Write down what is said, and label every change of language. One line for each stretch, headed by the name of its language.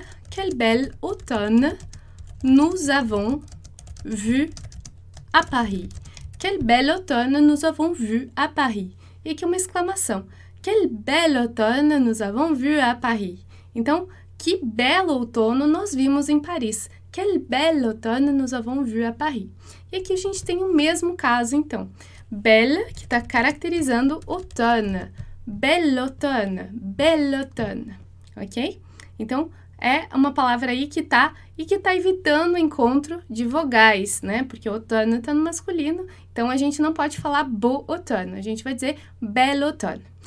French: Quel bel automne nous avons vu à Paris. Quel bel automne nous avons vu à Paris.
Portuguese: E aqui uma exclamação.
French: Quel bel automne nous avons vu à Paris.
Portuguese: Então, que belo outono nós vimos em Paris.
French: Quel bel automne nous avons vu à Paris.
Portuguese: E aqui a gente tem o mesmo caso, então. Belle, que está caracterizando automne. Bel automne. Bel automne. Ok? Então, é uma palavra aí que está e que está evitando o encontro de vogais, né? Porque o outono está no masculino, então a gente não pode falar beau automne, a gente vai dizer bel automne.